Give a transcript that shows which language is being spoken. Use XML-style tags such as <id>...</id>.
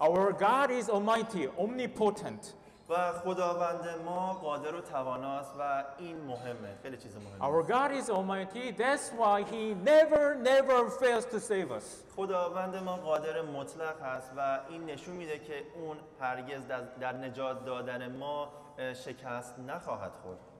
<en>Our God is almighty, omnipotent.</en> <fa>و خداوند ما قادر و تواناست و این مهمه، خیلی چیز مهمه.</fa> <en>Our God is almighty, that's why he never fails to save us.</en> <fa>خداوند ما قادر مطلق هست و این نشون میده که اون هرگز در نجات دادن ما شکست نخواهد خورد.</fa>